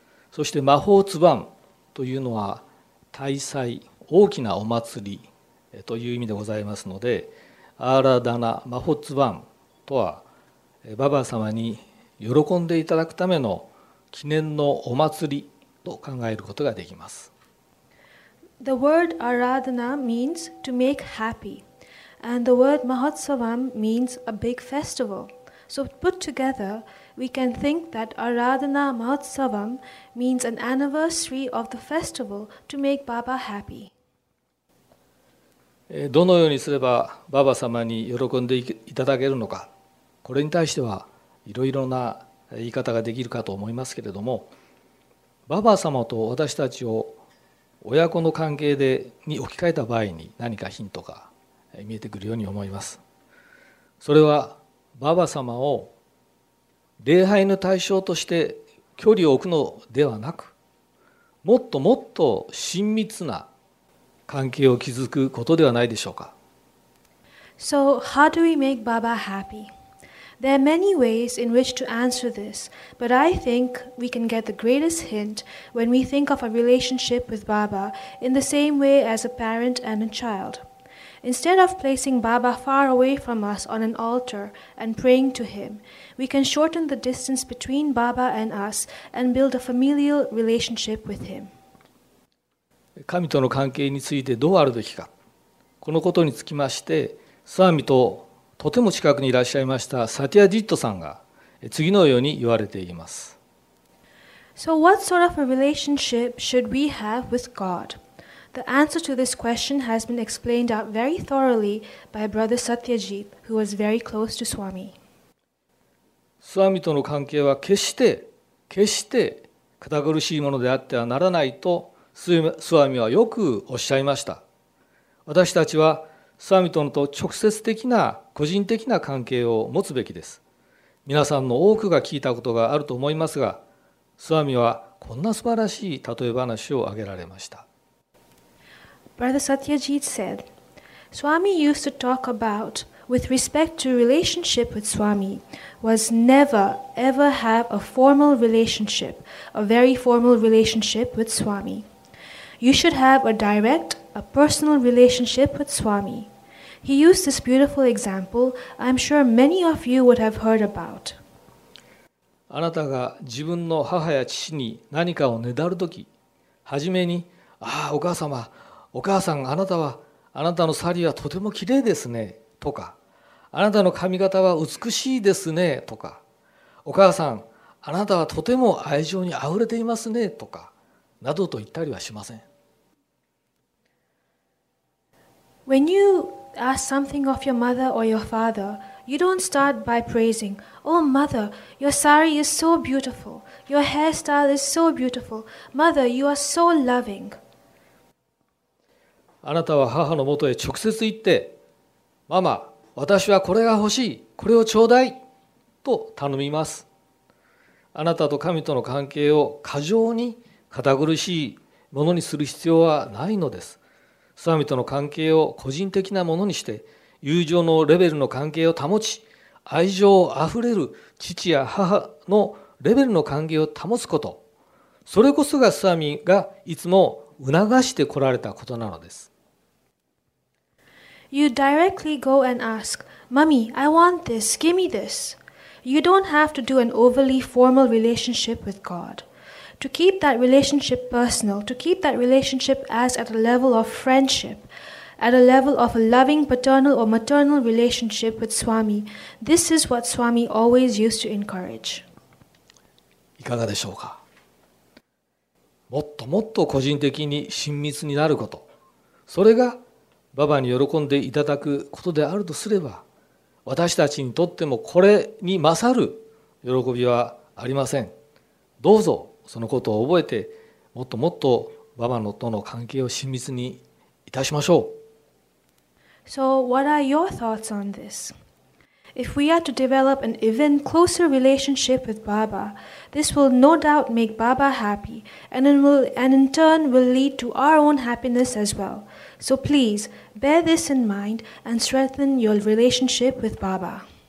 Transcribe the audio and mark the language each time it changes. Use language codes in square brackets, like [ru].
[ja] そして魔法ツバンというのは、大祭、大きなお祭りという意味でございますので、アーラダナ・マホツバンとはババ様に喜んでいただくための記念のお祭りと考えることができます。 [en] The word Aradhana means to make happy, and the word Mahotsavam means a big festival. So put together, we can think that Aradhana Mahotsavam means an anniversary of the festival to make Baba happy. [ja] どのようにすればババ様に喜んでいただけるのか、これに対してはいろいろな言い方ができるかと思いますけれども、ババ様と私たちを親子の関係でに置き換えた場合に何かヒントが見えてくるように思います。それはババ様を礼拝の対象として距離を置くのではなく、もっともっと親密な関係を築くことではないでしょうか。 [en] So how do we make Baba happy? There are many ways in which to answer this, but I think we can get the greatest hint when we think of a relationship with Baba in the same way as a parent and a child. Instead of placing Baba far away from us on an altar and praying to him, we can shorten the distance between Baba and us and build a familial relationship with him. [ja] 神との関係についてどうあるべきか、このことにつきまして、スワミととても近くにいらっしゃいましたサティアジットさんが次のように言われています。 [en] So what sort of a relationship should we have with God? The answer to this question has been explained out very thoroughly by Brother Satyajit, who was very close to Swami. [ja] Swami との関係は決して決して堅苦しいものであってはならないと Swami はよくおっしゃいました。私たちは Swami とのと直接的な個人的な関係を持つべきです。皆さんの多くが聞いたことがあると思いますが、Swami はこんな素晴らしい例え話を挙げられました。 [en] Brother Satyajit said, Swami used to talk about, with respect to relationship with Swami, was never, ever have a formal relationship, a very formal relationship with Swami. You should have a direct, a personal relationship with Swami. He used this beautiful example, I'm sure many of you would have heard about. [ja] あなたが自分の母や父に何かをねだるとき、はじめに、ああ、お母様、お母さん、あなたはあなたのサリはとてもきれいですねとか、あなたの髪型は美しいですねとか、お母さん、あなたはとても愛情にあふれていますねとか、などと言ったりはしません。 [en] When you ask something of your mother or your father, you don't start by praising, Oh mother, your sari is so beautiful, your hairstyle is so beautiful, mother, you are so loving. [ja] あなたは母のもとへ直接行って、ママ、私はこれが欲しい、これをちょうだい、と頼みます。あなたと神との関係を過剰に堅苦しいものにする必要はないのです。神との関係を個人的なものにして、友情のレベルの関係を保ち、愛情あふれる父や母のレベルの関係を保つこと、それこそが神がいつも促してこられたことなのです。 [en] You directly go and ask, Mommy, I want this, give me this. You don't have to do an overly formal relationship with God. To keep that relationship personal, to keep that relationship as at a level of friendship, at a level of a loving paternal or maternal relationship with Swami, this is what Swami always used to encourage. [ja] いかがでしょうか。もっともっと個人的に親密になること、それがババに喜んでいただくことであるとすれば、私たちにとってもこれに勝る喜びはありません。どうぞそのことを覚えて、もっともっとババのとの関係を親密にいたしましょう。 [en] So, what are your thoughts on this? If we are to develop an even closer relationship with Baba, this will no doubt make Baba happy, and it will, and in turn will lead to our own happiness as well. So please, bear this in mind and strengthen your relationship with Baba.